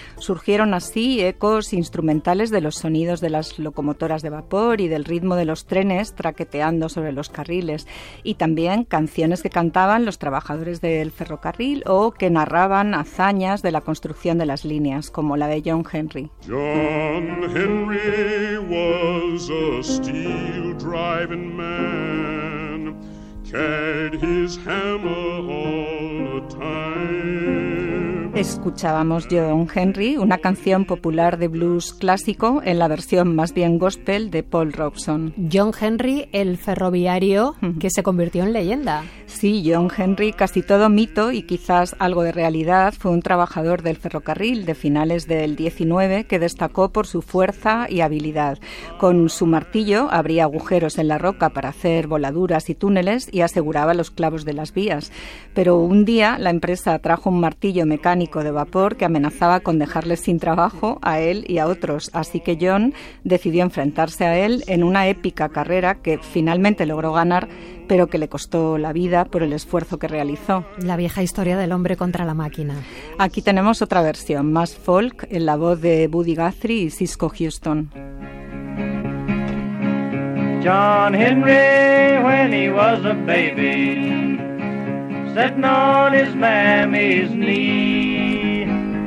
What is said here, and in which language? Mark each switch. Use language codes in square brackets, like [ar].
[es] Surgieron así ecos instrumentales de los sonidos de las locomotoras de vapor y del ritmo de los trenes traqueteando sobre los carriles, y también canciones que cantaban los trabajadores del ferrocarril o que narraban hazañas de la construcción de las líneas, como la de John Henry. [en] John Henry was a steel-driving man, carried his hammer all the time. [es] Escuchábamos John Henry, una canción popular de blues clásico en la versión más bien gospel de Paul Robeson. John Henry, el ferroviario que se convirtió en leyenda. Sí, John Henry, casi todo mito y quizás algo de realidad, fue un trabajador del ferrocarril de finales del 19 que destacó por su fuerza y habilidad. Con su martillo abría agujeros en la roca para hacer voladuras y túneles y aseguraba los clavos de las vías. Pero un día la empresa trajo un martillo mecánico de vapor que amenazaba con dejarles sin trabajo a él y a otros, así que John decidió enfrentarse a él en una épica carrera que finalmente logró ganar, pero que le costó la vida por el esfuerzo que realizó. La vieja historia del hombre contra la máquina. Aquí tenemos otra versión, más folk, en la voz de Buddy Guthrie y Cisco Houston. [en] John Henry, when he was a baby, sitting on his mammy's knee.